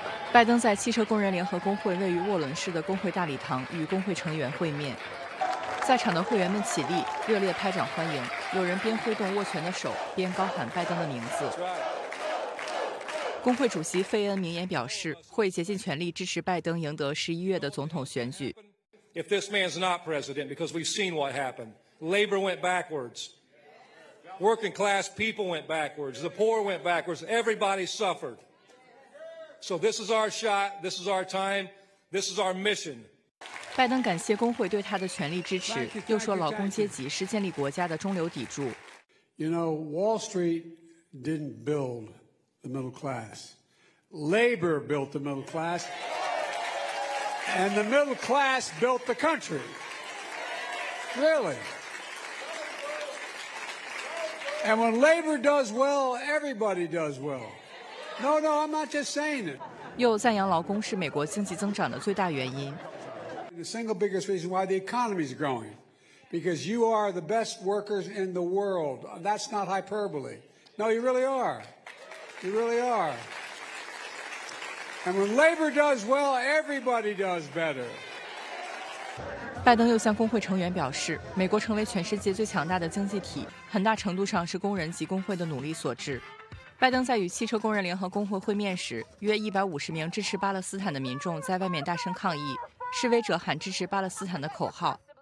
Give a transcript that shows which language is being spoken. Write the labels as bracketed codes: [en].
[zh] 拜登在汽车工人联合工会位于沃伦市的工会大礼堂与工会成员会面，在场的会员们起立热烈拍掌欢迎，有人边挥动握拳的手边高喊拜登的名字。工会主席费恩明言表示，会竭尽全力支持拜登赢得11月的总统选举。 [en] If this man's not president, because we've seen what happened, labor went backwards, working class people went backwards, the poor went backwards, everybody suffered. So this is our shot, this is our time, this is our mission. [zh] 拜登感谢工会对他的全力支持，又说劳工阶级是建立国家的中流砥柱。 [en] You know, Wall Street didn't build. The middle class. Labor built the middle class. And the middle class built the country. Really. And when labor does well, everybody does well. No, no, I'm not just saying it. [zh] 又赞扬劳工是美国经济增长的最大原因。 [en] The single biggest reason why the economy is growing, because you are the best workers in the world. That's not hyperbole. No, you really are. You really are. And when labor does well, everybody does better. [zh] 拜登又向工会成员表示，美国成为全世界最强大的经济体，很大程度上是工人及工会的努力所致。拜登在与汽车工人联合工会会面时，约150名支持巴勒斯坦的民众在外面大声抗议，示威者喊支持巴勒斯坦的口号。